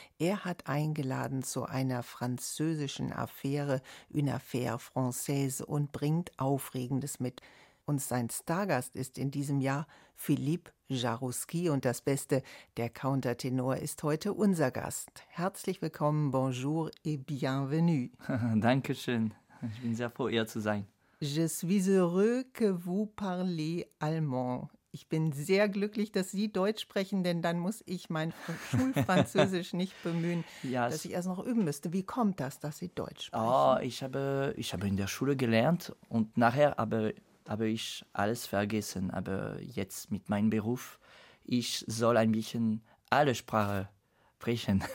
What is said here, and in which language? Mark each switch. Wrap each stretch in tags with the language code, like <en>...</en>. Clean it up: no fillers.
<de>Er hat eingeladen zu einer französischen Affäre,</de> <fr>une affaire française,</fr> <de>und bringt Aufregendes mit. Und sein Stargast ist in diesem Jahr Philippe Jaroussky. Und das Beste, der Countertenor ist heute unser Gast. Herzlich willkommen,</de> <fr>bonjour et bienvenue.</fr> <de>Dankeschön, ich bin sehr froh, hier zu sein.</de> <fr>Je suis heureux que vous parlez allemand.</fr> <de>Ich bin sehr glücklich, dass Sie Deutsch sprechen, denn dann muss ich mein Schulfranzösisch nicht bemühen, yes, dass ich erst noch üben müsste. Wie kommt das, dass Sie Deutsch sprechen? Oh, ich habe in der Schule gelernt und nachher habe ich alles vergessen. Aber jetzt mit meinem Beruf, ich soll ein bisschen alle Sprachen sprechen.</de>